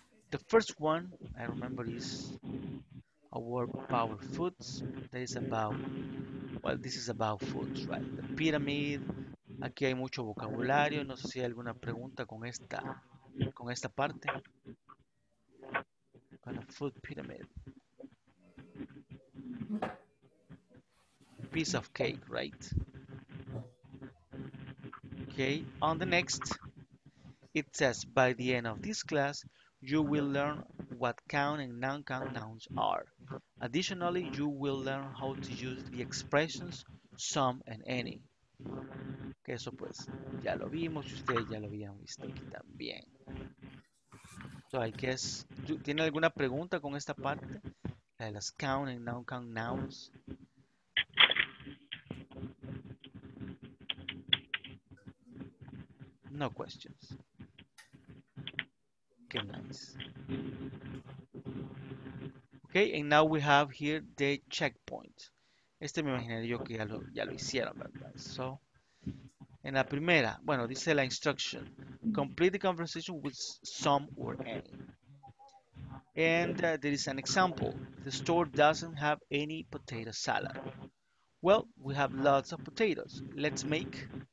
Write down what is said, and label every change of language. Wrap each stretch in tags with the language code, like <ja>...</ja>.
<en>The first one, I remember, is our power foods. That is about... Well, this is about foods, right? The pyramid.</en> <es>Aquí hay mucho vocabulario. No sé si hay alguna pregunta con esta parte.</es> <en>food pyramid. Piece of cake, right? Okay, on the next, it says, by the end of this class, you will learn what count and non-count nouns are. Additionally, you will learn how to use the expressions some and any.</en> <es>Que eso pues, ya lo vimos, ustedes ya lo habían visto aquí también.</es> <en>So I guess,</en> <es>¿tiene alguna pregunta con esta parte? La de las</es> <en>count and non-count nouns. No questions. Okay, nice. Okay, and now we have here the checkpoint.</en> <es>Este me imaginé yo que ya lo hicieron, ¿verdad? So, en la primera, bueno, dice la instruction.</es> <en>Complete the conversation with some or any. And there is an example. The store doesn't have any potato salad. Well, we have lots of potatoes. Let's make...</en>